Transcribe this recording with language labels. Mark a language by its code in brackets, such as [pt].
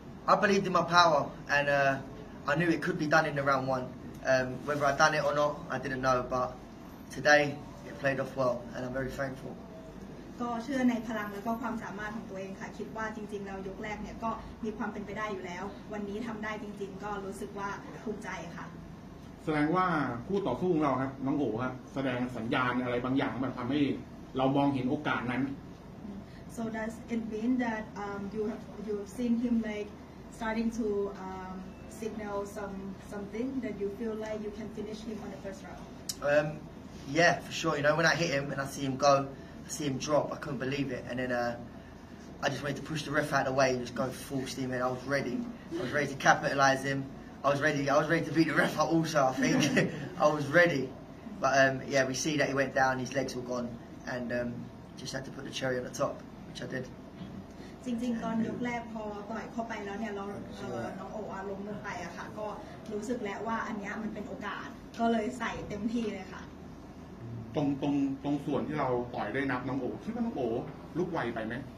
[en] I believed in my power, and I knew it could be done in the round one. Whether I'd done it or not, I didn't know, but today it played off well, and I'm very thankful. [th] ก็เชื่อในพลังและก็ความสามารถของตัวเองค่ะคิดว่าจริงๆเรายกแรกเนี่ยก็มีความเป็นไปได้อยู่แล้ววันนี้ทำได้จริงๆก็รู้สึกว่าภูมิใจค่ะ แสดงว่าคู่ต่อสู้ของเราครับน้องโอครับแสดงสัญญาณอะไรบางอย่างมันทำให้เรามองเห็นโอกาสนั้น [en] So does it mean that you've seen him like starting to signal something that you feel like you can finish him on the first round? Yeah, for sure. You know, when I hit him and I see him go, I see him drop, I couldn't believe it. And then I just wanted to push the ref out of the way and just go full steam ahead. I was ready to capitalize him. I was ready to beat the ref up also, I think. I was ready. But yeah, we see that he went down, his legs were gone, and just had to put the cherry on the top, which I did. [th] จริงๆตอนยกแรกพอต่อยเข้าไปแล้วเนี่ยน้องโอ้อาล้มลงไปอะค่ะก็รู้สึกแล้วว่าอันนี้มันเป็นโอกาสก็เลยใส่เต็มที่เลยค่ะ ตรงส่วนที่เราต่อยได้นับน้องโอ้คิดว่าน้องโอ้ลุกไวไปไหม